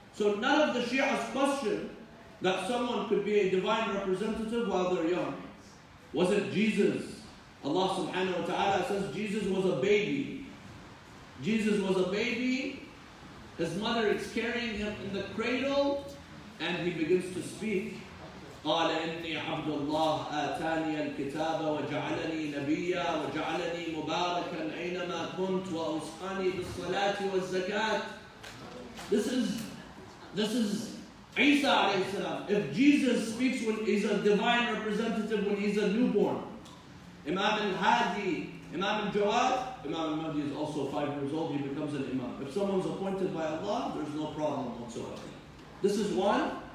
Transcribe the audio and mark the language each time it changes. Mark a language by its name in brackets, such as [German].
[English] So none of the Shi'as question that someone could be a divine representative while they're young. Was it Jesus? Allah subhanahu wa ta'ala says Jesus was a baby. Jesus was a baby, his mother is carrying him in the cradle, and he begins to speak. [Arabic] قال إني عبد الله آتاني الكتاب وجعلني نبيا وجعلني مباركا أينما كنت وأوصاني بالصلاة والزكاة. [English] This is Isa alayhi salam. If Jesus speaks when he's a divine representative, when he's a newborn, Imam al-Hadi, Imam al-Jawad, Imam al-Mahdi is also 5 years old, he becomes an Imam. If someone's appointed by Allah, there's no problem whatsoever. This is one.